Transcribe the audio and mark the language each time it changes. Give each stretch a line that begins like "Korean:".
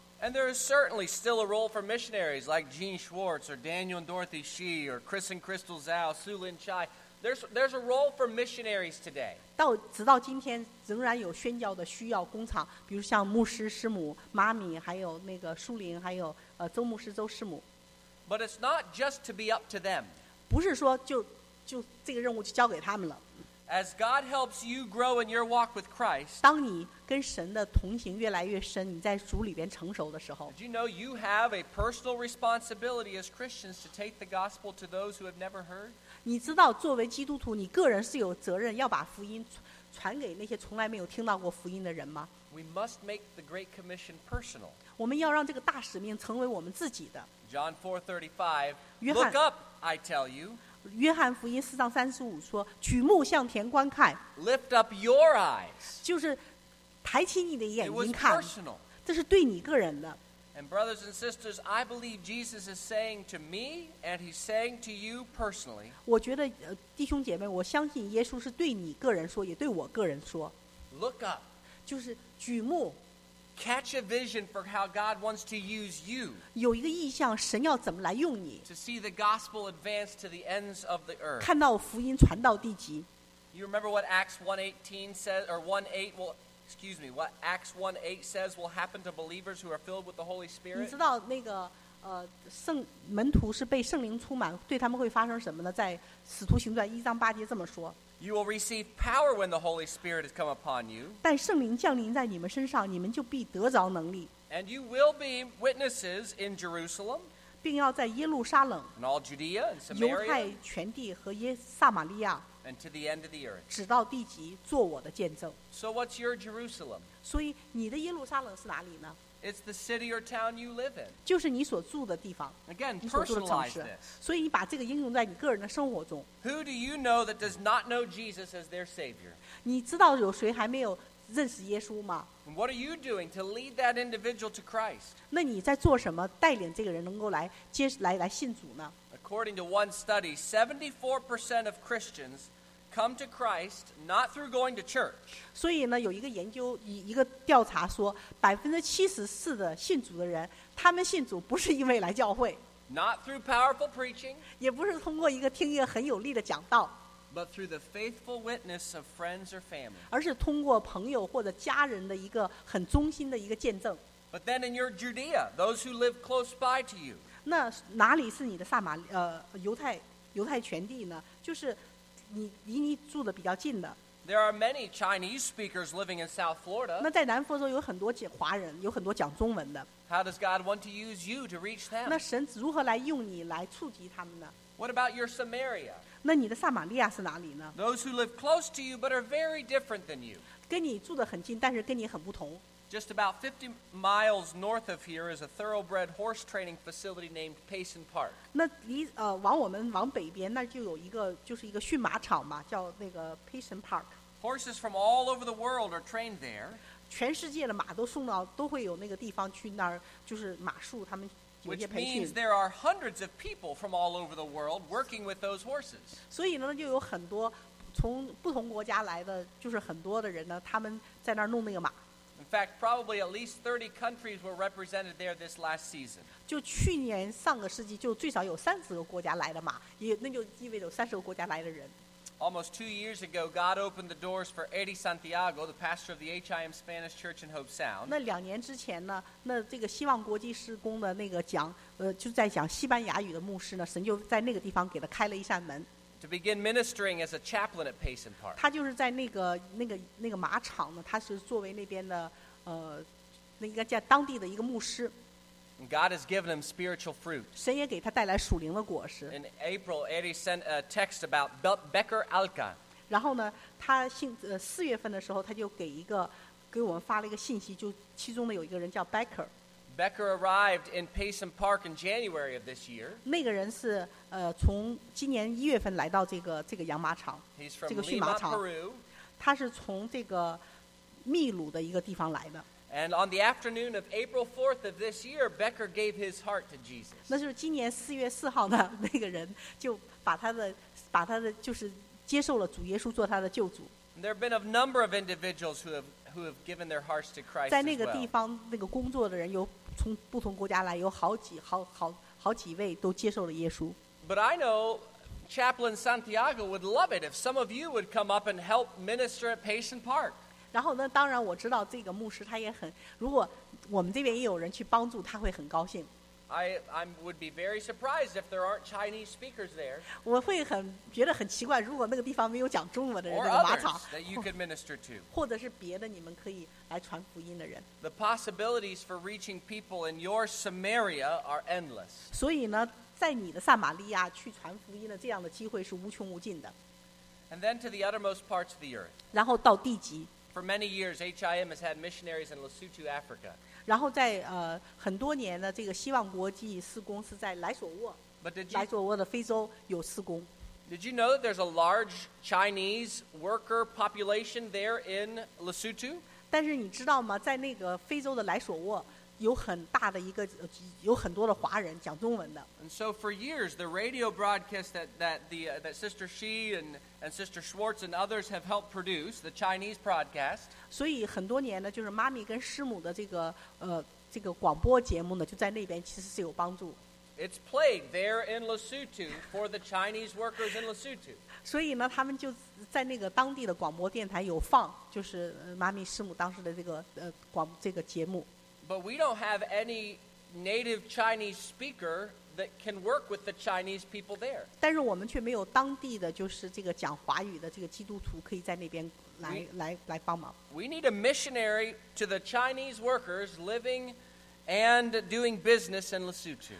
English: And there is certainly still a role for missionaries like Gene Schwartz or Daniel and Dorothy Shee or Chris and Crystal Zhao, Su Lin Chai. There's a role for missionaries today.
Chinese: 到直到今天仍然有宣教的需要工厂，比如像牧师师母妈咪，还有那个舒林，还有周牧师周师母。
English: But it's not just to be up to them.
Chinese: 不是说就这个任务就交给他们了。
English: As God helps you grow in your walk with Christ,
Chinese: 当你跟神的同行越来越深，你在主里边成熟的时候，
English: Did you know you have a personal responsibility as Christians to take the gospel to those who have never heard?
Chinese: 你知道，作为基督徒，你个人是有责任要把福音传给那些从来没有听到过福音的人吗？
English: We must make the Great Commission personal.
Chinese: 我们要让这个大使命成为我们自己的。
English: John 4:35, Look up, I tell you.
Chinese: 约翰福音四章三十五说：“举目向前观看
English: ，lift up your eyes，
Chinese: 就是抬起你的眼睛看。
English: It was personal.
Chinese: 这是对你个人的。
English: And brothers and sisters, I believe Jesus is saying to me, and He's saying to you personally.
Chinese: 我觉得弟兄姐妹，我相信耶稣是对你个人说，也对我个人说。
English: Look up，
Chinese: 就是举目。
English: Catch a vision for how God wants to use you.
Chinese: 有一个意象，神要怎么来用你。
English: To see the gospel advance to the ends of the earth.
Chinese: 看到福音传到地极。
English: You remember what Acts 1:18 says, or 1:8? Well, excuse me, what Acts 1:8 says will happen to believers who are filled with the Holy Spirit?
Chinese: 你知道那个门徒是被圣灵充满，对他们会发生什么呢？在使徒行传一章八节这么说。
English: You will receive power when the Holy Spirit has come upon you.
Chinese: 但圣灵降临在你们身上，你们就必得着能力。
English: And you will be witnesses in Jerusalem.
Chinese: 并要在耶路撒冷。
English: And all Judea and Samaria.
Chinese: 犹太全地和耶撒玛利亚。
English: And to the end of the earth.
Chinese: 直到地极，做我的见证。
English: So what's your Jerusalem?
Chinese: 所以你的耶路撒冷是哪里呢？
English: It's the city or town you live in.
Chinese: 就是你所住的地方。
English: Again, personalize this.
Chinese: 所以你把这个应用在你个人的生活中。
English: Who do you know that does not know Jesus as their Savior?
Chinese: 你知道有谁还没有认识耶稣吗？
English: And what are you doing to lead that individual to Christ?
Chinese: 那你在做什么带领这个人能够来信主呢？
English: According to one study, 74% of Christians come to Christ not through going to church.
Chinese: 所以呢，有一个研究，一个调查说，74%的信主的人，他们信主不是因为来教会。
English: Not through powerful preaching.
Chinese: 也不是通过一个听一个很有力的讲道。
English: But through the faithful witness of friends or family.
Chinese: 而是通过朋友或者家人的一个很忠心的一个见证。
English: But then in your Judea, those who live close by to you.
Chinese: 那哪里是你的撒玛犹太全地呢？就是。你离你住的比较近的。
English: There are many Chinese speakers living in South Florida.
Chinese: 那在南佛州有很多华人，有很多讲中文的。
English: How does God want to use you to reach them?
Chinese: 那神如何来用你来触及他们呢？
English: What about your Samaria?
Chinese: 那你的撒玛利亚是哪里呢？
English: Those who live close to you but are very different than you.
Chinese: 跟你住得很近，但是跟你很不同。
English: Just about 50 miles north of here is a thoroughbred horse training facility named Payson Park.
Chinese: 那离往我们往北边那就有一个就是一个驯马场嘛，叫那个 Payson Park.
English: Horses from all over the world are trained there.
Chinese: 全世界的马都送到都会有那个地方去那儿，就是马术他们有些培训。
English: Which means there are hundreds of people from all over the world working with those horses.
Chinese: 所以呢，就有很多从不同国家来的，就是很多的人呢，他们在那儿弄那个马。
English: In fact, probably at least 30 countries were represented there this last season.
Chinese: 就去年上个世纪就最少有三十个国家来的嘛，也那就意味着有三十个国家来的人。
English: Almost 2 years ago, God opened the doors for Eddie Santiago, the pastor of the HIM Spanish Church in Hope Sound.
Chinese: 那两年之前呢，那这个希望国际施工的那个讲，就在讲西班牙语的牧师呢，神就在那个地方给他开了一扇门。
English: To begin ministering as a chaplain at Payson Park.
Chinese: 他就是在那个马场呢，他是作为那边的那个叫当地的一个牧师。
English: God has given him spiritual fruit.
Chinese: 神也给他带来属灵的果实。
English: In April, Eddie sent a text about Becker Alca.
Chinese: 然后呢，他四月份的时候，他就给我们发了一个信息，就其中呢有一个人叫 Becker。
English: Becker arrived in Payson Park in January of this year.
Chinese: 那个人是从今年一月份来到这个养马场，这个驯马场。
English: He's from Lima, Peru.
Chinese: 他是从这个秘鲁的一个地方来的。
English: And on the afternoon of April 4th of this year, Becker gave his heart to Jesus.
Chinese: 那就是今年四月四号呢，那个人就把他的就是接受了主耶稣做他的救主。
English: There have been a number of individuals who have given their hearts to Christ.
Chinese: 在那个地方，那个工作的人有从不同国家来，有好几位都接受了耶稣。
English: But I know Chaplain Santiago would love it if some of you would come up and help minister at Payson Park.
Chinese: 然后呢，当然我知道这个牧师他也很，如果我们这边也有人去帮助，他会很高兴。
English: I would be very surprised if there aren't Chinese speakers there.
Chinese: 我会很觉得很奇怪，如果那个地方没有讲中文的人，那个马场。
English: Or others that you could minister to.
Chinese: 或者是别的你们可以来传福音的人。
English: The possibilities for reaching people in your Samaria are endless.
Chinese: 所以呢，在你的撒玛利亚去传福音的这样的机会是无穷无尽的。
English: And then to the uttermost parts of the earth.
Chinese: 然后到地极。
English: For many years, HIM has had missionaries in Lesotho, Africa.
Chinese: 然后在很多年的这个希望国际施工是在莱索沃的非洲有施工。
English: Did you know that there's a large Chinese worker population there in Lesotho?
Chinese: 但是你知道吗？在那个非洲的莱索沃有很大的一个有很多的华人讲中文的。
English: And so for years, the radio broadcast that Sister Xi and Sister Schwartz and others have helped produce the Chinese broadcast.
Chinese: 所以很多年呢，就是妈咪跟师母的这个广播节目呢，就在那边其实是有帮助。
English: It's played there in Lesotho for the Chinese workers in Lesotho.
Chinese: 所以呢，他们就在那个当地的广播电台有放，就是妈咪师母当时的这个节目。
English: But we don't have any native Chinese speaker that can work with the Chinese people there.
Chinese: 但是我们却没有当地的就是这个讲华语的这个基督徒可以在那边来帮忙。
English: We need a missionary to the Chinese workers living and doing business in Lesotho.